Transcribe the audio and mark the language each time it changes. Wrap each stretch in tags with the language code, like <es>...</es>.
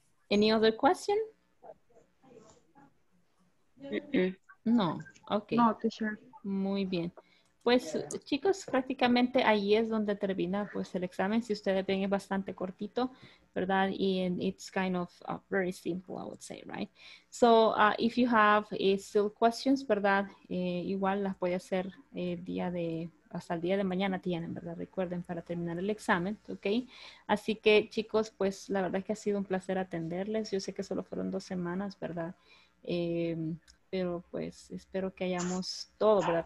<en>Any other question? Mm-mm. No, okay. No, teacher.</en> <es>Muy bien. Pues, chicos, prácticamente ahí es donde termina pues, el examen. Si ustedes ven, es bastante cortito, ¿verdad?</es> <en>And it's kind of very simple, I would say, right? So, if you have still questions, ¿verdad?</en> <es>Igual las puede hacer hasta el día de mañana tienen, ¿verdad? Recuerden, para terminar el examen, ¿ok? Así que, chicos, pues, la verdad es que ha sido un placer atenderles. Yo sé que solo fueron 2 semanas, ¿verdad? Pero pues espero que hayamos todo, ¿verdad?</es>